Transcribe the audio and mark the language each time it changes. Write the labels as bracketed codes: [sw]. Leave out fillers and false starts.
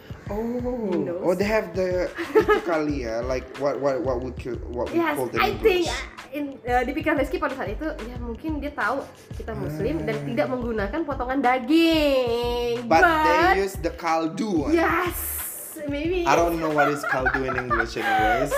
[en] Oh, they have the [id] itu kali ya, [en] like what would you call the I think [id] di pikiran Rizki pada saat itu, ya mungkin dia tahu kita Muslim dan tidak menggunakan potongan daging. [en] But they use the kaldu. Yes, maybe. I don't know what is kaldu in English anyway.